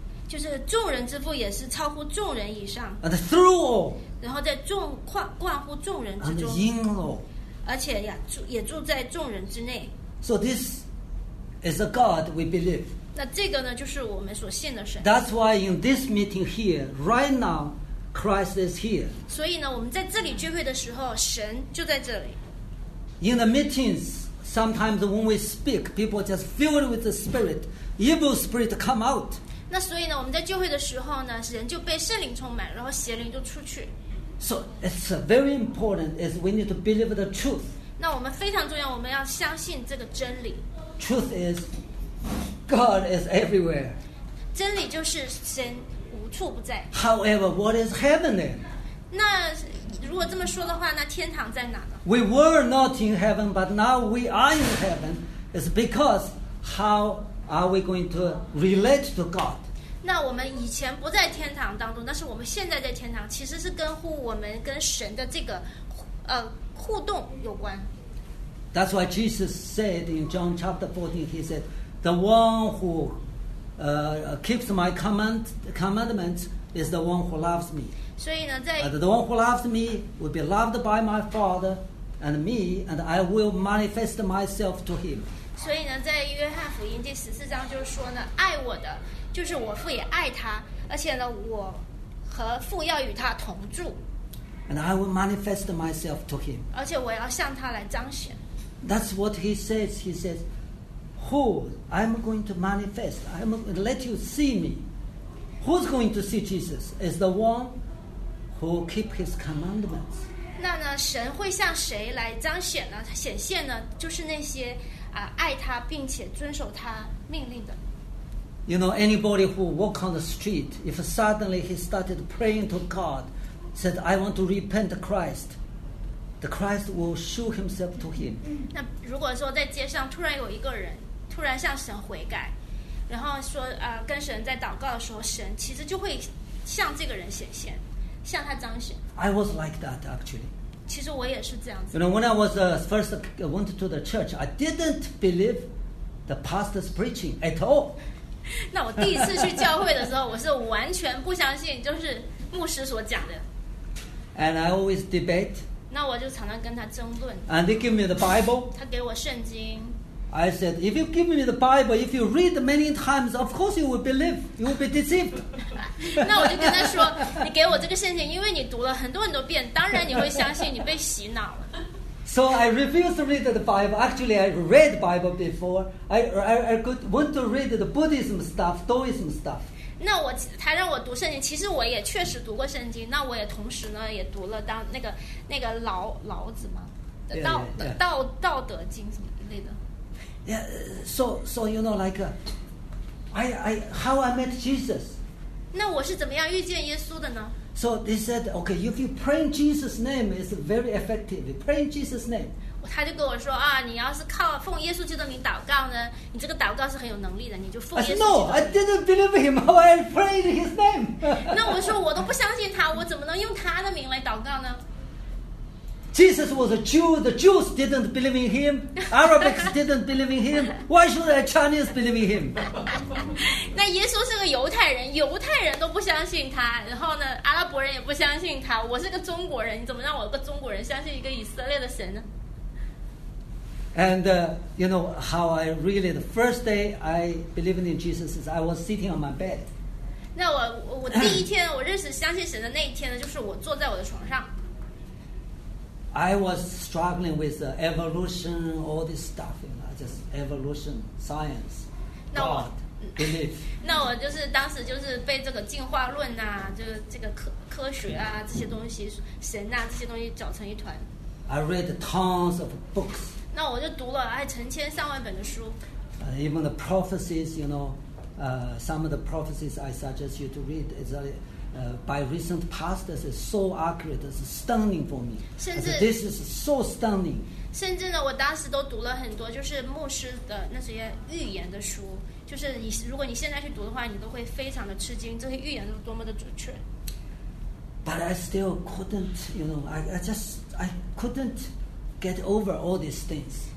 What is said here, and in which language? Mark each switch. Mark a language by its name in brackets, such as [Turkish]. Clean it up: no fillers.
[Chinese] 就是众人之父，也是超乎众人以上。 [English] And through all. [Chinese] 然后在众冠乎众人之中。 [English] And in all. [Chinese] 而且呀，也住在众人之内。 [English] So this. Is a God we believe. [Chinese] 那这个呢，就是我们所信的神。 [English] That's why in this meeting here, right now, Christ is here. [Chinese] 所以呢，我们在这里聚会的时候，神就在这里。 [English] In the meetings, sometimes when we speak, people just filled with the spirit, evil spirit come out. [Chinese] 那所以呢，我们在聚会的时候呢，人就被圣灵充满，然后邪灵就出去。 [English] So it's very important is we need to believe the truth. [Chinese] 那我们非常重要，我们要相信这个真理。 [English] Truth is, God is everywhere. [Chinese] 真理就是神无处不在。 [English] However, what is heaven then? [Chinese] 那如果这么说的话，那天堂在哪呢？ [English] We were not in heaven, but now we are in heaven. It's because how are we going to relate to God? [Chinese] 那我们以前不在天堂当中，但是我们现在在天堂，其实是跟乎我们跟神的这个互动有关。 [English] That's why Jesus said in John chapter 14, he said, the one who keeps my commandments is the one who loves me. [Chinese] 所以呢，在 [English] the one who loves me will be loved by my Father and me, and I will manifest myself to him. [Chinese] 所以呢，在约翰福音第十四章就是说呢，爱我的就是我父也爱他，而且呢，我和父要与他同住。 [English] And I will manifest myself to him. [Chinese] 而且我要向他来彰显。 [English] That's what he says. He says, "Who I'm going to manifest? I'm going to let you see me. Who's going to see Jesus? Is the one who keep his commandments." [Chinese] 那呢，神会向谁来彰显呢？显现呢？就是那些爱他并且遵守他命令的。 [English] You know, anybody who walk on the street, if suddenly he started praying to God, said, "I want to repent, Christ." The Christ will show himself to him. [Chinese] 那如果说在街上突然有一个人突然向神悔改，然后说跟神在祷告的时候，神其实就会向这个人显现，向他彰显。 [English] I was like that actually. [Chinese] 其实我也是这样子。 [English] You know, when I was first went to the church, I didn't believe the pastor's preaching at all. [Chinese] 那我第一次去教会的时候，我是完全不相信，就是牧师所讲的。 [English] And I always debate. [Chinese] 那我就常常跟他争论。 [English] And they give me the Bible. [Chinese] 他给我圣经。 [English] I said, if you give me the Bible, if you read many times, of course you will believe, you will be deceived. [Chinese] 那我就跟他说，你给我这个圣经，因为你读了很多很多遍，当然你会相信，你被洗脑了。 [English] So I refused to read the Bible. Actually, I read Bible before. I could want to read the Buddhism stuff, Taoism stuff. [Chinese] 那我他让我读圣经，其实我也确实读过圣经。那我也同时呢，也读了当那个。那个老子嘛，道德经什么一类的。 [English] Yeah, so you know, like, I how I met Jesus. [Chinese] 那我是怎么样遇见耶稣的呢 [English] ？So they said, okay, if you pray in Jesus' name, it's very effective. Pray in Jesus' name. [Chinese] 他就跟我说啊，你要是靠奉耶稣基督名祷告呢，你这个祷告是很有能力的，你就奉耶稣基督名。 [English] I said, no, I didn't believe him. I prayed in his name. [Chinese] 那我说我都不相信他，我怎么能用他的名来祷告呢？ [English] Jesus was a Jew. The Jews didn't believe in him. Arabics didn't believe in him. Why should the Chinese believe in him? [Chinese] 那耶稣是个犹太人，犹太人都不相信他，然后呢，阿拉伯人也不相信他。我是个中国人，你怎么让我个中国人相信一个以色列的神呢？ [English] And you know how I really the first day I believed in Jesus is I was sitting on my bed. [Chinese] 那我第一天我认识相信神的那一天呢，就是我坐在我的床上。 [English] I was struggling with the evolution, all this stuff, you know, just evolution, science, God, belief. [Chinese] 那我就是当时就是被这个进化论啊，就是这个科学啊这些东西，神啊这些东西搅成一团。 [English] I read tons of books. [Chinese] 那我就读了哎成千上万本的书。 [English] Even the prophecies, you know, some of the prophecies I suggest you to read is a, by recent pastors is so accurate, it's stunning for me. This is so stunning. [Chinese] 甚至呢，我当时都读了很多，就是牧师的那些预言的书。就是你，如果你现在去读的话，你都会非常的吃惊，这些预言都多么的准确。 [English] But I still couldn't, you know, I couldn't get over all these things.